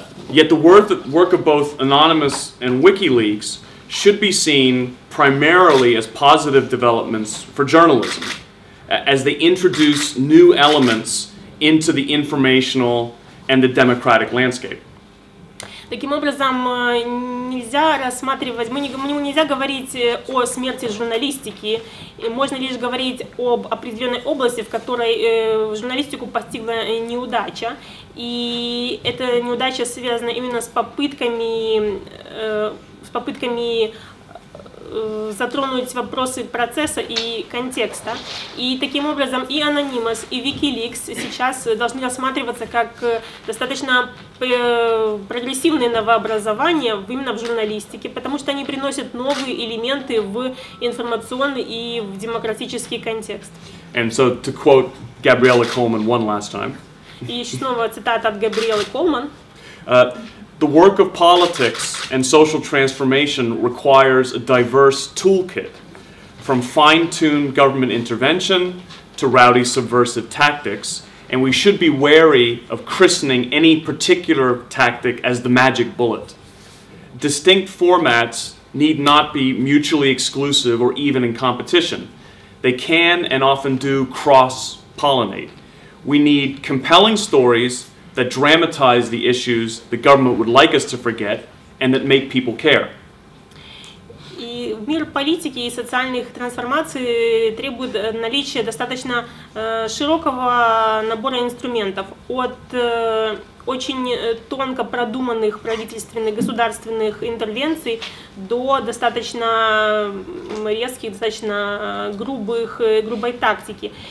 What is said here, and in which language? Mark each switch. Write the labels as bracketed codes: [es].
[en] Yet the work of both Anonymous and WikiLeaks should be seen primarily as positive developments for journalism, as they introduce new elements into the informational and the democratic landscape. [ru] Таким образом, нельзя рассматривать, нельзя говорить о смерти журналистики, можно лишь говорить об определенной области, в которой журналистику постигла неудача, и эта неудача связана именно с попытками затронуть вопросы процесса и контекста. И таким образом и Anonymous, и WikiLeaks сейчас должны рассматриваться как достаточно прогрессивные новообразования именно в журналистике, потому что они приносят новые элементы в информационный и в демократический контекст. [en] And so to quote Gabriella Coleman one last time. [ru] И снова цитата от Габриэлы Колман. [en] The work of politics and social transformation requires a diverse toolkit, from fine-tuned government intervention to rowdy subversive tactics, and we should be wary of christening any particular tactic as the magic bullet. Distinct formats need not be mutually exclusive or even in competition. They can and often do cross-pollinate. We need compelling stories that dramatize the issues the government would like us to forget and that make people care. [ru] И мир политики и социальных трансформаций требует наличия достаточно широкого набора инструментов, от очень тонко продуманных правительственных государственных интервенций до достаточно резких, достаточно грубой тактики.